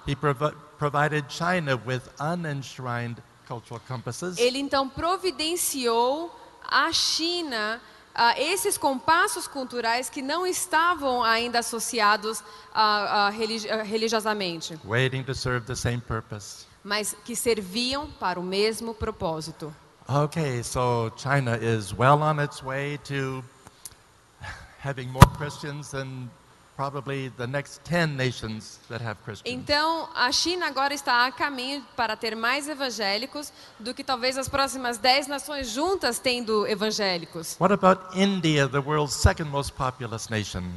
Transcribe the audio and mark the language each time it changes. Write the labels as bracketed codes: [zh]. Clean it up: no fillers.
[en] he provided China with unenshrined cultural compasses. [pt] Ele então providenciou a China esses compassos culturais que não estavam ainda associados religiosamente. [en] Waiting to serve the same purpose. [pt] Mas que serviam para o mesmo propósito. [en] Okay, so China is well on its way to having more Christians than probably the next 10 nations that have Christians. [pt] Então, a China agora está a caminho para ter mais evangélicos do que talvez as próximas 10 nações juntas tendo evangélicos. [en] What about India, the world's second most populous nation?